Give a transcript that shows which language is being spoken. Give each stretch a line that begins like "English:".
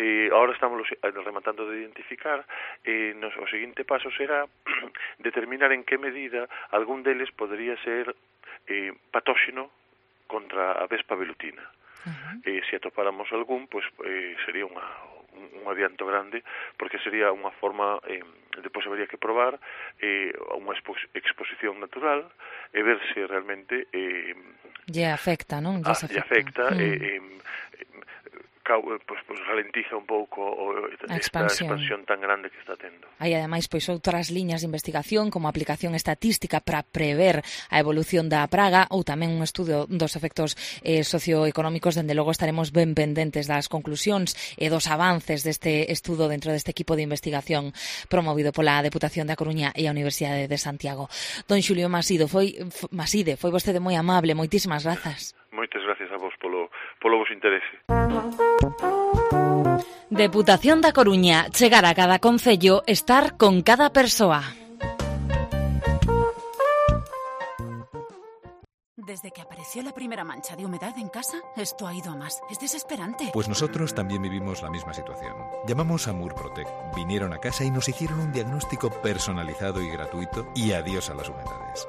Galician: Ahora estamos rematando de identificar, o seguinte paso será determinar en que medida algún deles podría ser patóxeno contra a vespa velutina. Se atopáramos algún, pues, sería un adianto grande, porque sería unha forma, depois habría que probar unha exposición natural e ver se realmente lle afecta, non? Lle afecta, pues ralentiza un pouco a expansión tan grande que está tendo. Hai ademais pois outras liñas de investigación como aplicación estatística para prever a evolución da praga ou tamén un estudo dos efectos socioeconómicos. Dende logo estaremos ben pendentes das conclusións e dos avances deste estudo dentro deste equipo de investigación promovido pola Deputación da Coruña e a Universidade de Santiago. Don Xulio Maside, foi vostede moi amable, moitísimas grazas. Moitas gracias a vos polo vos interese. Deputación da Coruña, chegar a cada concello, estar con cada persoa.
Spanish: Desde que apareció la primera mancha de humedad en casa, esto ha ido a más. Es desesperante. Pues nosotros también vivimos la misma situación. Llamamos a Murprotec. Vinieron a casa y nos hicieron un diagnóstico personalizado y gratuito. Y adiós a las humedades.